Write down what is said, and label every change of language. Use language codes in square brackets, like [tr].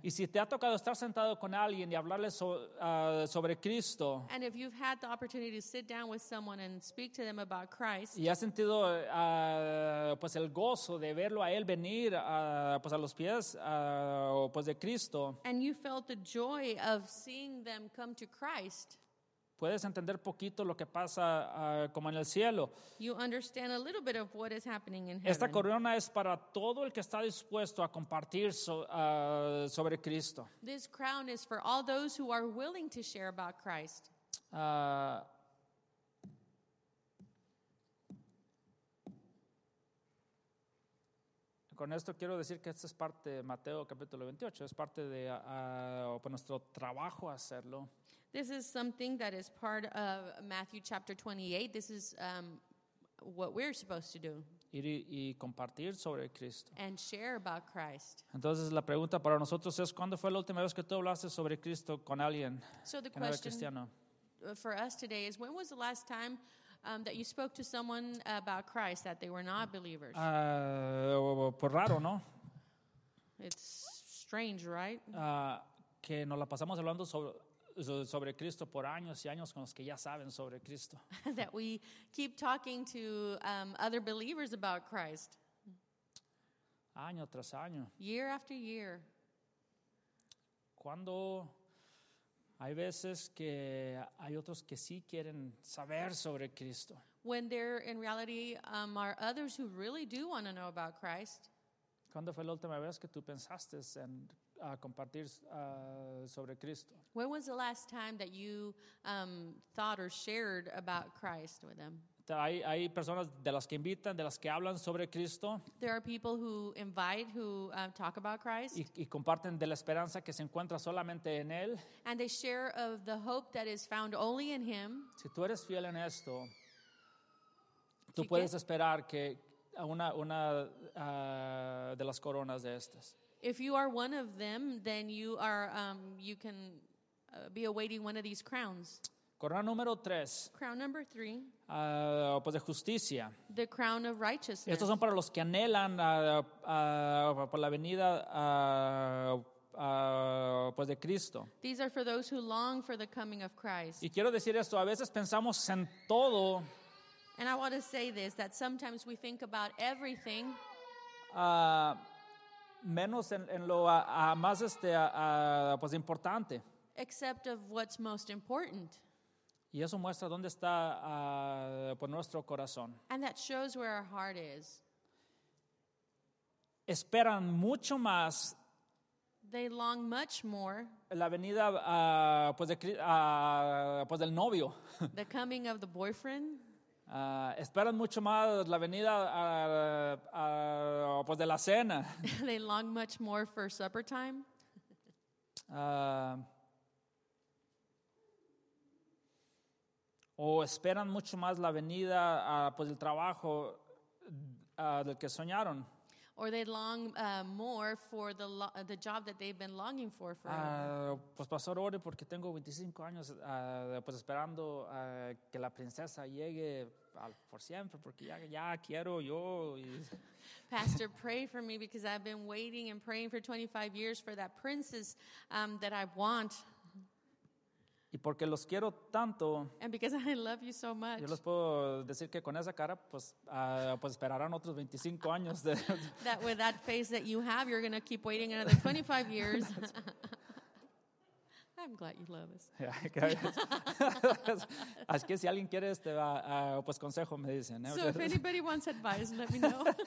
[es] Y si te ha tocado estar sentado con alguien y hablarle sobre Cristo, [en] and if you've had the opportunity to sit down with someone and speak to them about Christ, [es] y has sentido pues el gozo de verlo a él venir pues a los pies pues de Cristo, [en] and you felt the joy of seeing them come to Christ, [es] puedes entender poquito lo que pasa como en el cielo. [en] You understand a little bit of what is happening in heaven. [es] Esta corona es para todo el que está dispuesto a compartir sobre Cristo. [en] This crown is for all those who are willing to share about Christ. [es] Con esto quiero decir que esta es parte de Mateo capítulo 28, es parte de nuestro trabajo hacerlo. [en] This is something that is part of Matthew chapter 28. This is what we're supposed to do. [es] Y compartir sobre Cristo. [en] And share about Christ. [es] Entonces la pregunta para nosotros es, ¿cuándo fue la última vez que tú hablaste sobre Cristo con alguien? [en] So the question for us today is, when was the last time that you spoke to someone about Christ that they were not believers? [es] Por raro, ¿no? [en] It's strange, right? [es] Que nos la pasamos hablando sobre Cristo por años y años con los que ya saben sobre Cristo. [en] That we keep talking to other believers about Christ. [es] Año tras año. [en] Year after year. [es] Cuando hay veces que hay otros que sí quieren saber sobre Cristo. [en] When there in reality are others who really do want to know about Christ. [es] ¿Cuándo fue la última vez que tú pensaste en compartir sobre Cristo? [en] When was the last time that you thought or shared about Christ with them? [es] Hay personas de las que invitan, de las que hablan sobre Cristo. [en] There are people who invite, who talk about Christ. [es] Y comparten de la esperanza que se encuentra solamente en Él. [en] And they share of the hope that is found only in Him. [es] Si tú eres fiel en esto, tú puedes esperar que una de las coronas de estas. [en] If you are one of them, then you can be awaiting one of these crowns. [es] Corona número tres. [en] Crown number three. [es] Pues de justicia. [en] The crown of righteousness. [es] Estos son para los que anhelan por la venida pues de Cristo. [en] These are for those who long for the coming of Christ. [es] Y quiero decir esto, a veces pensamos en todo. [en] And I want to say this, that sometimes we think about everything. [es] Menos en lo más pues importante. [en] Except of what's most important. [es] Y eso muestra dónde está por nuestro corazón. [en] And that shows where our heart is. [es] Esperan mucho más. [en] They long much more. [es] La venida pues del novio. [en] The coming of the boyfriend. [es] Esperan mucho más la venida pues de la cena. [en] They long much more for supper time. [es] O esperan mucho más la venida pues del trabajo del que soñaron. [en] Or they long more for the job that they've been longing for forever. [es] Pues pastor, ore porque tengo 25 años pues esperando que la princesa llegue por siempre porque ya quiero yo. [en] Pastor, pray for me because I've been waiting and praying for 25 years for that princess that I want. [es] Y porque los quiero tanto, [en] and because I love you so much, [es] yo les puedo decir que con esa cara, pues esperarán otros 25 años. De [en] that with that face that you have, you're going to keep waiting another 25 years. I'm glad you love us. [es] Así que si alguien quiere este, pues consejo, me dicen. [en] So if anybody wants advice, let me know.